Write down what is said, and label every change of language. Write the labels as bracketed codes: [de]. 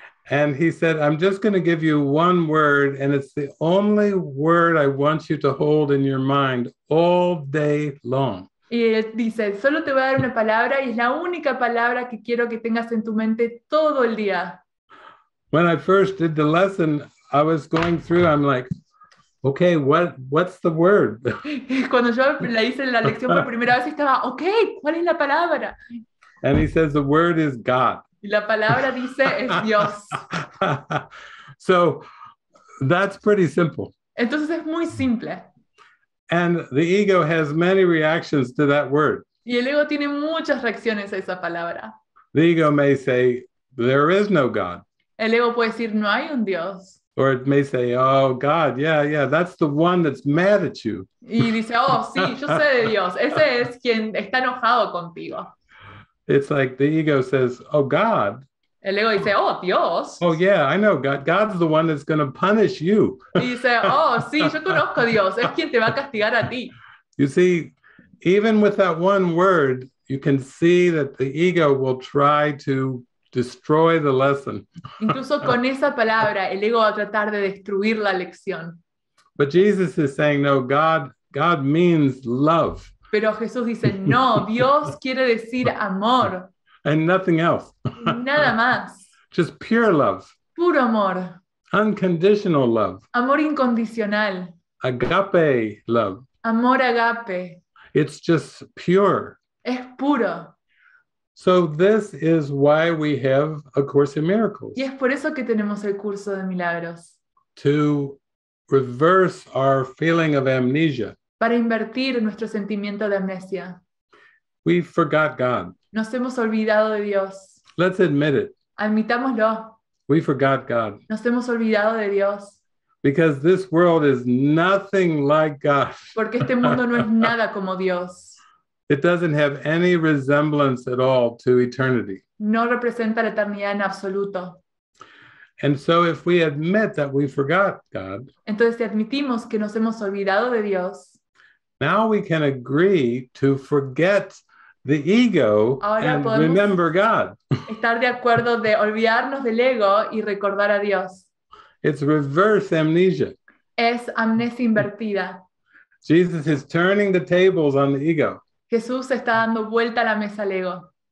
[en] And he said, I'm just going to give you one word and it's the only word I want you to hold in your mind all day long. [es] Y él dice, solo te voy a dar una palabra y es la única palabra que quiero que tengas en tu mente todo el día. [en] When I first did the lesson, I was going through, I'm like, okay, what's the word? [es] Cuando yo la hice la lección por primera vez, estaba, okay, ¿cuál es la palabra? [en] And he says, the word is God. [es] Y la palabra dice, es Dios. [en] So, that's pretty simple. [es] Entonces es muy simple. [en] And the ego has many reactions to that word. [es] Y el ego tiene muchas reacciones a esa palabra. [en] The ego may say, there is no God. [es] El ego puede decir, no hay un Dios. [en] Or it may say, oh, God, yeah, yeah, that's the one that's mad at you. [es] Y dice, oh, sí, yo sé de Dios. Ese es quien está enojado contigo. [en] It's like the ego says, oh, God. [es] El ego dice, oh, Dios. [en] Oh, yeah, I know God. God's the one that's going to punish you. [es] Y dice, oh, sí, yo conozco a Dios. Es quien te va a castigar a ti. [en] You see, even with that one word, you can see that the ego will try to destroy the lesson. [es] Incluso con esa palabra, el ego va a tratar de destruir la lección. [en] But Jesus is saying, no, God means love. [es] Pero Jesús dice, no, Dios quiere decir amor. [en] And nothing else. [es] Nada más. [en] Just pure love. [es] Puro amor. [en] Unconditional love. [es] Amor incondicional. [en] Agape love. [es] Amor agape. [en] It's just pure. [es] Es puro. [en] So this is why we have A Course in Miracles. [es] Y es por eso que tenemos el curso de milagros. [en] To reverse our feeling of amnesia. [es] Para invertir nuestro sentimiento de amnesia. [en] We forgot God. [es] Nos hemos olvidado de Dios. [en] Let's admit it. [es] Admitámoslo. [en] We forgot God. [es] Nos hemos olvidado de Dios. [en] Because this world is nothing like God. [es] Porque este mundo no es nada como Dios. [en] It doesn't have any resemblance at all to eternity. [es] No representa la eternidad en absoluto. [en] And so if we admit that we forgot God. [es] Entonces si admitimos que nos hemos olvidado de Dios. [en] Now we can agree to forget the ego and remember God. [es] Estar de acuerdo de olvidarnos del ego y recordar a Dios. [en] It's reverse amnesia. [es] Es amnesia invertida. [en] Jesus is turning the tables on the ego. [es] Jesús está dando vuelta a la mesa al ego.